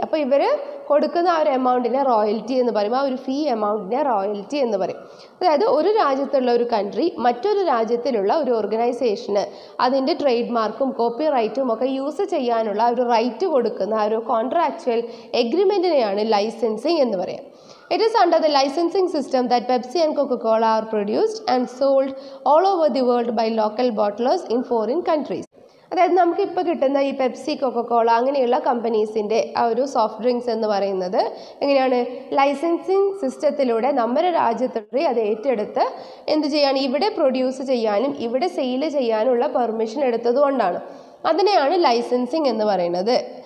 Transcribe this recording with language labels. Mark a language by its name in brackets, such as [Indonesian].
[Malayalam] അപ്പോൾ ഇവർ കൊടുക്കുന്ന ആ ഒരു എമൗണ്ടിനെ റോയൽറ്റി എന്ന് പറയും, ആ ഒരു ഫീ എമൗണ്ടിനെ റോയൽറ്റി എന്ന് പറയും. അതായത് ഒരു രാജ്യത്തുള്ള ഒരു കൺട്രി മറ്റൊരു രാജ്യത്തിലുള്ള ഒരു ഓർഗനൈസേഷന് അതിൻ്റെ ട്രേഡ് മാർക്കും കോപ്പി റൈറ്റും ഒക്കെ യൂസ് ചെയ്യാനുള്ള ഒരു റൈറ്റ് കൊടുക്കുന്ന ആ ഒരു കോൺട്രാക്ച്വൽ എഗ്രിമെൻറ്റിനെയാണ് ലൈസൻസിങ് എന്ന് പറയുക. [English] It is under the licensing system that Pepsi and Coca-Cola are produced and sold all over the world by local bottlers in foreign countries. [Malayalam] അതായത് നമുക്കിപ്പോൾ കിട്ടുന്ന ഈ പെപ്സി കൊക്കക്കോള അങ്ങനെയുള്ള കമ്പനീസിൻ്റെ ആ ഒരു സോഫ്റ്റ് ഡ്രിങ്ക്സ് എന്ന് പറയുന്നത് എങ്ങനെയാണ് ലൈസൻസിങ് സിസ്റ്റത്തിലൂടെ നമ്മുടെ രാജ്യത്തുള്ള അത് ഏറ്റെടുത്ത് എന്ത് ചെയ്യാണ് ഇവിടെ പ്രൊഡ്യൂസ് ചെയ്യാനും ഇവിടെ സെയില് ചെയ്യാനുമുള്ള പെർമിഷൻ എടുത്തതുകൊണ്ടാണ്, അതിനെയാണ് ലൈസൻസിങ് എന്ന് പറയുന്നത്.